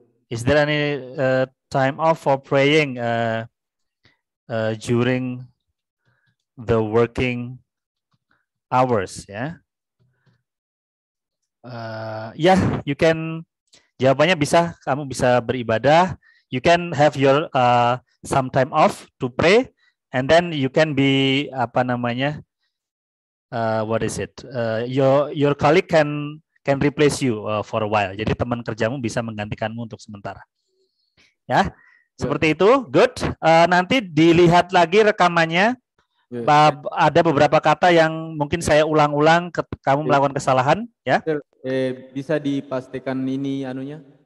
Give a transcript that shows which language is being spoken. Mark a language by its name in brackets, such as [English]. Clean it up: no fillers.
[English] is there any time off for praying during the working hours, ya? Yeah? Yeah, you can. [Indonesian] Jawabannya bisa, kamu bisa beribadah. [English] You can have your some time off to pray, and then you can be [Indonesian] apa namanya? [English] What is it? Your colleague can replace you for a while. [Indonesian] Jadi teman kerjamu bisa menggantikanmu untuk sementara. Ya, yeah. Seperti itu. Good. Nanti dilihat lagi rekamannya. Yeah. Ada beberapa kata yang mungkin saya ulang-ulang, kamu melakukan kesalahan, ya? [English] Yeah. [Indonesian] Bisa dipastikan ini anunya?